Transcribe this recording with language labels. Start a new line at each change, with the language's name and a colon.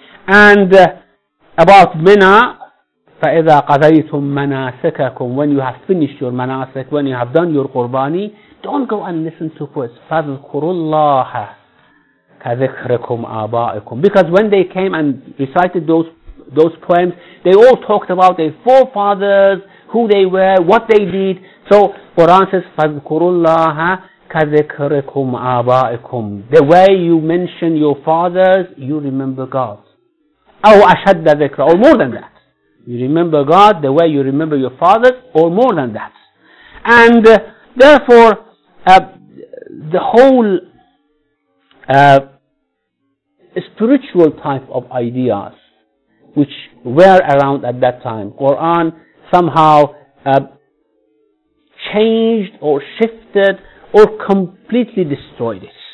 English: And about Mina,
Arabic: فَإِذَا قَضَيْتُم مَنَاسِكَكُمْ,
English: when you have finished your manasik, when you have done your qurbani, don't go and listen to poets.
Arabic: فَذْكُرُوا اللَّهَ كَذِكْرِكُمْ آبَائِكُمْ.
English: Because when they came and recited those poems, they all talked about their forefathers, who they were, what they did. So Quran says,
Arabic: فَذْكُرُوا اللَّهَ كَذِكْرِكُمْ آبَائِكُمْ.
English: The way you mention your fathers, you remember God.
Arabic: أَوْ أَشَدَّ ذِكْرًا,
English: or more than that. You remember God the way you remember your fathers, or more than that. And therefore, the whole spiritual type of ideas which were around at that time, Quran somehow changed or shifted or completely destroyed it.